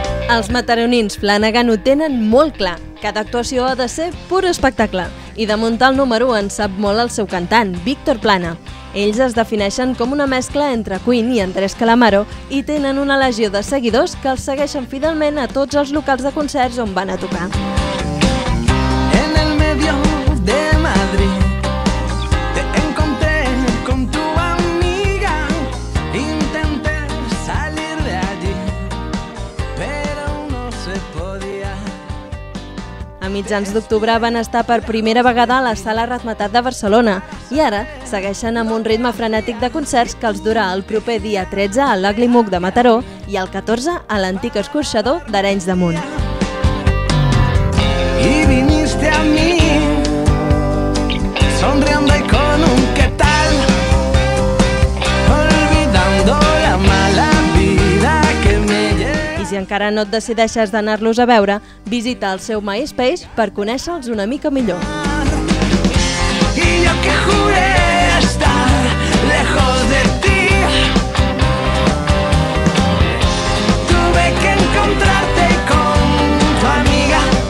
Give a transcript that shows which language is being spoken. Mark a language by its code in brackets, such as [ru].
[ca] Els mataronins Flanagan ho tenen molt clar. Cada actuació ha de ser pur espectacle. I de muntar el número 1 en sap molt el seu cantant, Víctor Plana. Ells es defineixen com una mescla entre Queen i Andrés Calamaro i tenen una legió de seguidors que els segueixen fidelment a tots els locals de concerts on van a tocar. [es] En el medio de Madrid te encontré con tu amiga. Intenté salir de allí, pero no se podía. [ca] A mitjans d'octubre van estar per primera vegada a la Sala Razzmatazz de Barcelona i ara segueixen amb un ritme frenètic de concerts que els durà el proper dia 13 a l'Ugly Mug de Mataró i el 14 a l'antic escorxador d'Arenys de Munt. [es] Y viniste a mí sonriendo y con un qué tal, olvidando la mala vida que me lleva. [ca] I si encara no et decideixes d'anar-los a veure, visita el seu MySpace per conèixer-los una mica millor. [es] Y yo que juré estar lejos de ti, tuve que encontrarte con tu amiga.